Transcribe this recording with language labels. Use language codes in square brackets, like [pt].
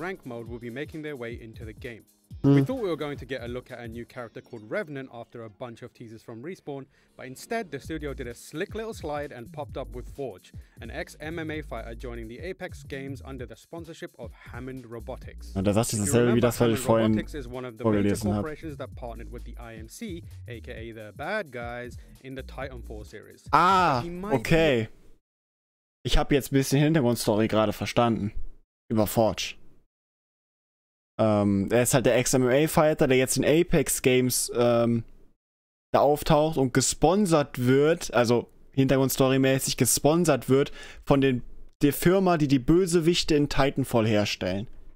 [en] rank mode will be making their way into the game. We thought we were going to get a look at a new character called Revenant after a bunch of teasers from Respawn, but instead the studio did a slick little slide and popped up with Forge, an ex-MMA fighter joining the Apex Games under the sponsorship of Hammond Robotics. [de] Und das ist dasselbe wie das, was ich vorhin vorgelesen habe. [en] That partnered with the IMC, aka the bad guys, in the Titanfall series. [de] Ah, okay. Ich habe jetzt ein bisschen Hintergrundstory gerade verstanden über Forge. Er ist halt der Ex-MMA-Fighter, der jetzt in Apex Games da auftaucht und gesponsert wird, also Hintergrundstory-mäßig gesponsert wird von der Firma, die die Bösewichte in Titanfall herstellen.